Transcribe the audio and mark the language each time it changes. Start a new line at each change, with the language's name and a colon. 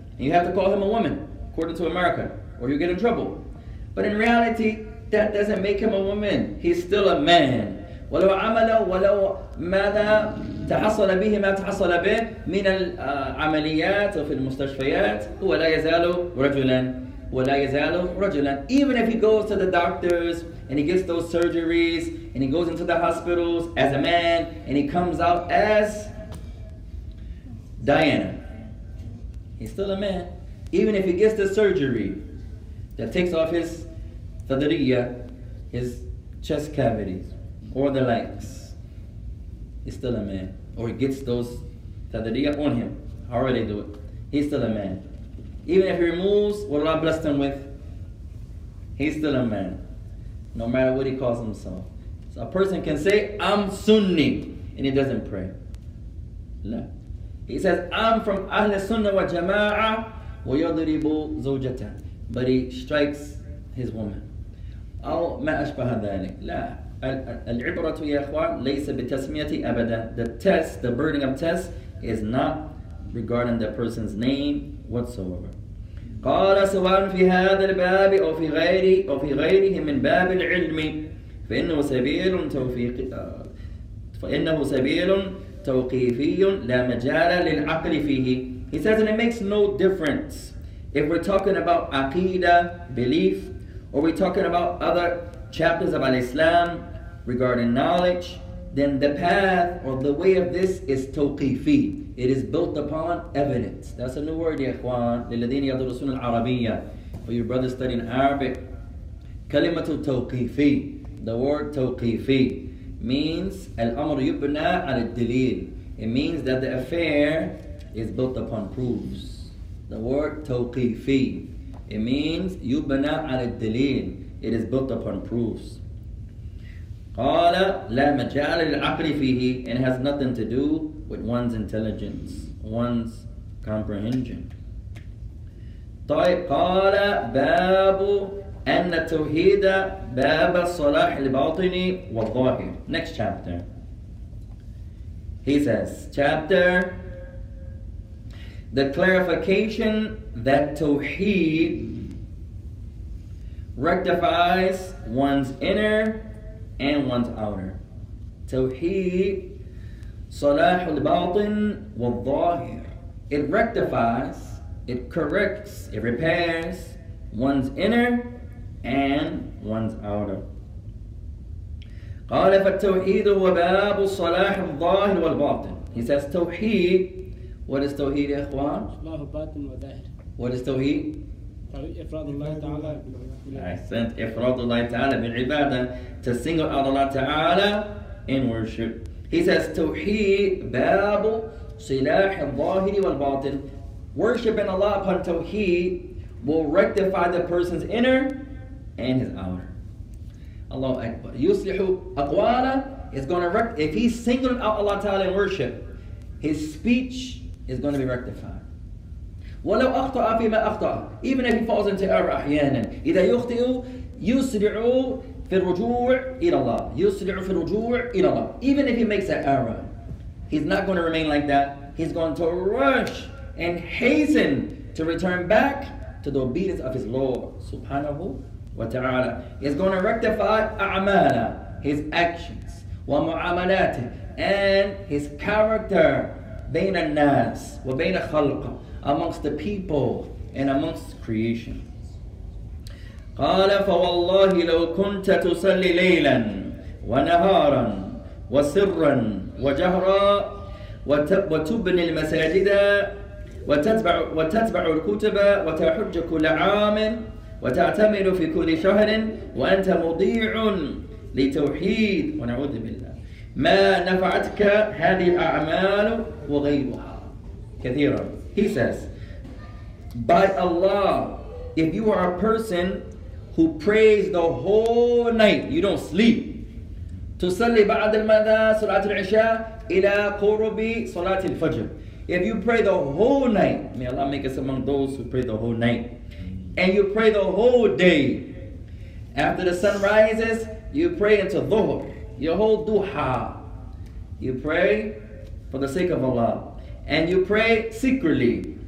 English: And you have to call him a woman, according to America, or you get in trouble. But in reality, that doesn't make him a woman. He's still a man.
Arabic: ولو عمل ولو ماذا تحصل به ما تحصل به من العمليات وفي المستشفيات هو لا يزال رجلا ولا يزال رجلا.
English: Even if he goes to the doctors and he gets those surgeries and he goes into the hospitals as a man and he comes out as Diana, he's still a man. Even if he gets the surgery that takes off his sadriya, his chest cavities, or the legs, he's still a man. Or he gets those tadariya on him, however they do it, he's still a man. Even if he removes what Allah blessed him with, he's still a man, no matter what he calls himself. So a person can say, I'm Sunni, and he doesn't pray. No. He says, I'm from Ahl Sunnah wa Jama'ah
Arabic: wa yadribu zawjata.
English: But he strikes his woman.
Arabic: أو ما أشبه ذلك. لا. العبرة يا أخوان ليس بتسمية أبدا.
English: The test, the burden of test, is not regarding the person's name whatsoever.
Arabic: قال سواء في هذا الباب أو في غيره أو في غيره من باب العلم فإنه سبيل توفيق فإنه سبيل توقيفي لا مجال للعقل فيه.
English: He says that it makes no difference if we're talking about aqidah, belief, or we're talking about other chapters of Al-Islam regarding knowledge, then the path or the way of this is tawqifi. It is built upon evidence. That's a new word,
Arabic: ya ikhwan, lilladhina yadrusuna al-arabiyya.
English: For your brothers studying Arabic,
Arabic: kalimatu tawqifi.
English: The word tawqifi means
Arabic: al-amr yubna al-dalil.
English: It means that the affair is built upon proofs. The word tawqifi, it means
Arabic: yubna al-dalil.
English: It is built upon proofs.
Arabic: قال لا مجال للعقل فيه,
English: and has nothing to do with one's intelligence, one's comprehension.
Arabic: طيب قال باب أن التوحيد باب الصلاح الباطني والظاهر.
English: Next chapter. He says, chapter, the clarification that tawheed rectifies one's inner and one's outer.
Arabic: Tawheed, صلاح الباطن والظاهر.
English: It rectifies, it corrects, it repairs one's inner and one's outer.
Arabic: قال فالتوحيد هو باب الصلاح الظاهر والباطن.
English: He says tawheed. What is tawheed,
Arabic: يا إخوان؟ صلاح الباطن والظاهر.
English: What is tawheed?
Arabic: إفراد الله تعالى بالعبادة,
English: to single out Allah Ta'ala in worship. He says,
Arabic: توحيد باب صلاح الظاهر والباطن.
English: Worshiping Allah upon توحيد will rectify the person's inner and his outer. Allahu Akbar.
Arabic: يُصْلِحُ أَقْوَالَ
English: is going to rectify. If he's singled out Allah Ta'ala in worship, his speech is going to be rectified.
Arabic: ولو أخطأ فيما أخطأ,
English: even if he falls into error
Arabic: أحيانا, إذا يخطئ يسرع في الرجوع إلى الله, يسرع في الرجوع إلى الله.
English: Even if he makes an error, he's not going to remain like that. He's going to rush and hasten to return back to the obedience of his Lord Subhanahu wa Ta'ala. He's going to rectify
Arabic: أعماله,
English: his actions,
Arabic: ومعاملاته,
English: and his character
Arabic: بين الناس وبين خلقه,
English: amongst the people and amongst creation.
Arabic: قال فوالله لو كنت تصلي ليلا ونهارا وسرا وجهرا وتبني المساجد وتتبع الكتب وتحج كل عام وتعتمر في كل شهر وأنت مضيع لتوحيد ونعوذ بالله ما نفعتك هذه الأعمال وغيرها كثيرا.
English: He says, by Allah, if you are a person who prays the whole night, you don't sleep.
Arabic: تصلي بعد المغرب صلاة العشاء إلى قرب صلاة الفجر.
English: If you pray the whole night, may Allah make us among those who pray the whole night, and you pray the whole day, after the sun rises, you pray until dhuhr, your whole duha. You pray for the sake of Allah, and you pray secretly.